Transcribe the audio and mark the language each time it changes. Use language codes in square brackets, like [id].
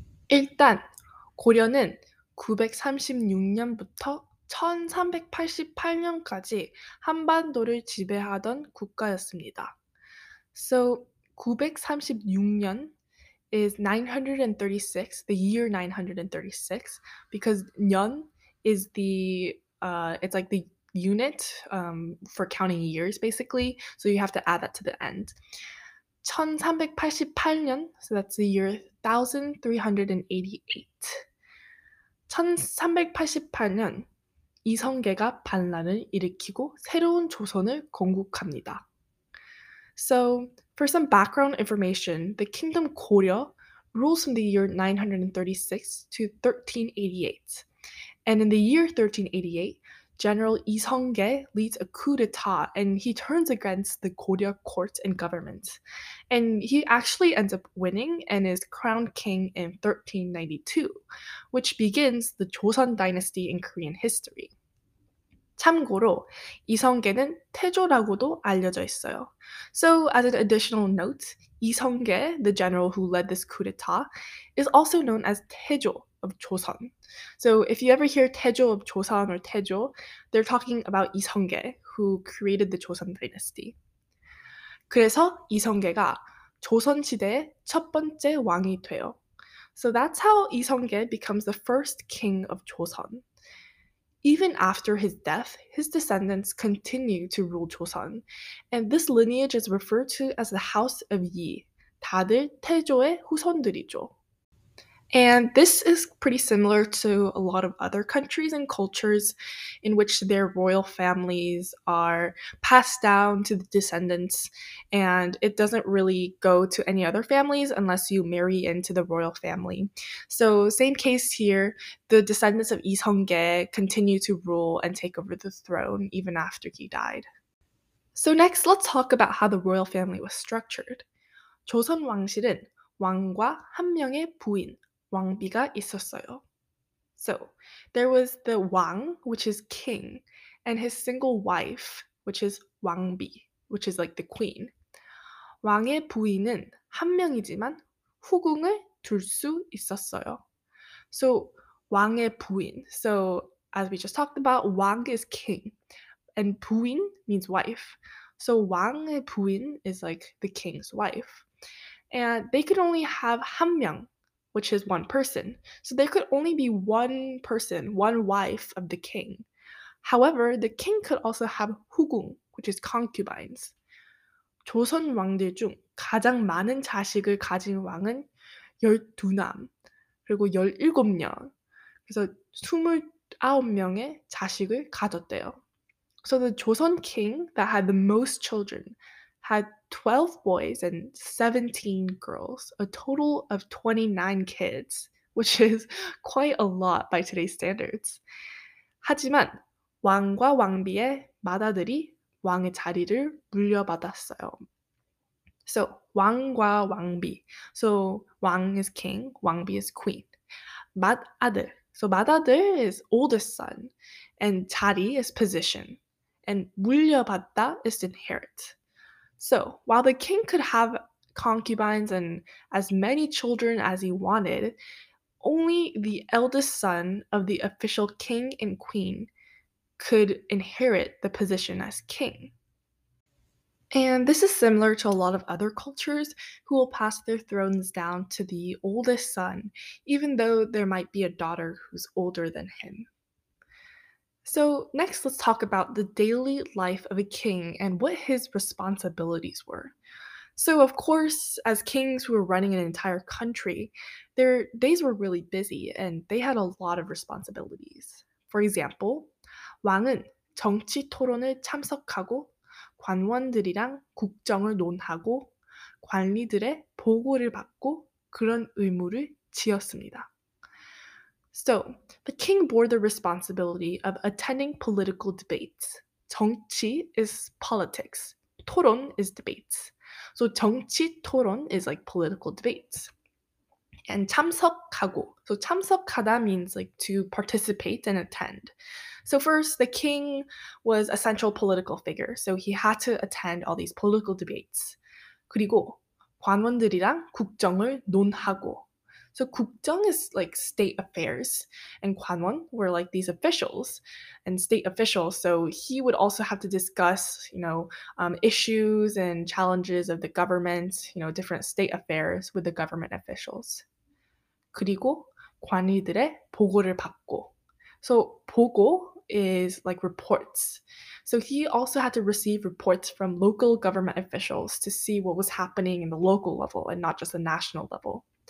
[ko] (1) 고려는 936년부터 1388년까지 한반도를 지배하던 국가였습니다. [en] So 936년 is 936, the year 936, because 년 is the, it's like the unit for counting years, basically. So you have to add that to the end. 1388년, so that's the year 1388. [ko] 1388년, 이성계가 반란을 일으키고 새로운 조선을 건국합니다. [en] So, for some background information, the kingdom Goryeo rules from the year 936 to 1388. And in the year 1388, General Isonggye leads a coup d'etat and he turns against the Goryeo court and government. And he actually ends up winning and is crowned king in 1392, which begins the Joseon dynasty in Korean history. [ko] 참고로 이성계는 태조라고도 알려져 있어요. [en] So as an additional note, 이성계, the general who led this coup d'etat, is also known as 태조 of Joseon. So if you ever hear 태조 of Joseon or 태조, they're talking about 이성계, who created the Joseon dynasty. [ko] 그래서 이성계가 조선 시대의 첫 번째 왕이 돼요. [en] So that's how 이성계 becomes the first king of Joseon. Even after his death, his descendants continue to rule Joseon, and this lineage is referred to as the House of Yi. [ko] 다들 태조의 후손들이죠. [en] And this is pretty similar to a lot of other countries and cultures in which their royal families are passed down to the descendants, and it doesn't really go to any other families unless you marry into the royal family. So same case here, the descendants of Isonggye continue to rule and take over the throne even after he died. So next, let's talk about how the royal family was structured. [ko] 조선 왕실은 왕과 한 명의 부인, 왕비가 있었어요. [en] So, there was the Wang, which is king, and his single wife, which is 왕비, which is like the queen. [ko] 왕의 부인은 한 명이지만 후궁을 둘 수 있었어요. So, 왕의 부인. [en] So, as we just talked about, 왕 is king, and 부인 means wife. So, 왕의 부인 is like the king's wife. And they could only have 한 명, which is one person. So there could only be one person, one wife of the king. However, the king could also have 후궁, which is concubines. [ko] 조선 왕들 중 가장 많은 자식을 가진 왕은 12남, 그리고 17녀. 그래서 29명의 자식을 가졌대요. [en] So the Joseon king that had the most children had 12 boys and 17 girls, a total of 29 kids, which is quite a lot by today's standards. [ko] 하지만 왕과 왕비의 맏아들이 왕의 자리를 물려받았어요. [en] So, 왕과 왕비. So, 왕 is king, 왕비 is queen. 맏아들. So, 맏아들 is oldest son, and 자리 is position, and 물려받다 is inherit. So, while the king could have concubines and as many children as he wanted, only the eldest son of the official king and queen could inherit the position as king. And this is similar to a lot of other cultures who will pass their thrones down to the oldest son, even though there might be a daughter who's older than him. So next, let's talk about the daily life of a king and what his responsibilities were. So of course, as kings who were running an entire country, their days were really busy and they had a lot of responsibilities. For example, [ko] 왕은 정치 토론을 참석하고 관원들이랑 국정을 논하고 관리들의 보고를 받고 그런 의무를 지었습니다. [en] So, the king bore the responsibility of attending political debates. 정치 is politics. 토론 is debates. So, 정치 토론 is like political debates. And 참석하고. So, 참석하다 means like to participate and attend. So, first, the king was a central political figure. So, he had to attend all these political debates. [ko] 그리고 관원들이랑 국정을 논하고. [en] So 국정 is like state affairs, and 관원 were like these officials and state officials. So he would also have to discuss, you know, issues and challenges of the government, you know, different state affairs with the government officials. [ko] 그리고 관리들의 보고를 받고. [en] So 보고 is like reports. So he also had to receive reports from local government officials to see what was happening in the local level and not just the national level.